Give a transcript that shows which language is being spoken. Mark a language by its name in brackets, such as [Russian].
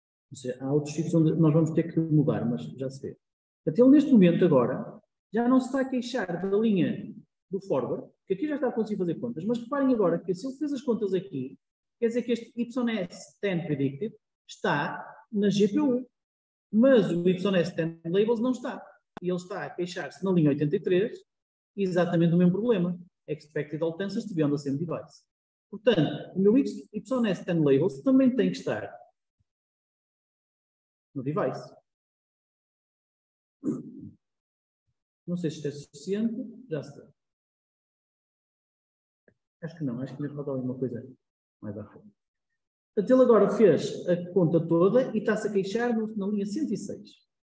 [Portuguese] Ou seja, há outros sítios onde nós vamos ter que mudar, mas já se vê. Até ele, neste momento, agora, já não se está a queixar da linha do forward, que aqui já está a conseguir fazer contas, mas reparem agora que se ele fez as contas aqui, quer dizer que este YS10 predicted está na GPU, mas o YS10 labels não está. E ele está a queixar-se na linha 83, exatamente o mesmo problema. [English] Expected all tensors to be on the same device. [Portuguese] Portanto, o meu YS10 labels também tem que estar no device. Não sei se isto é suficiente. Já está. Acho que não. Acho que ainda falta alguma coisa mais à frente. Portanto, ele agora fez a conta toda e está-se a queixar na linha 106.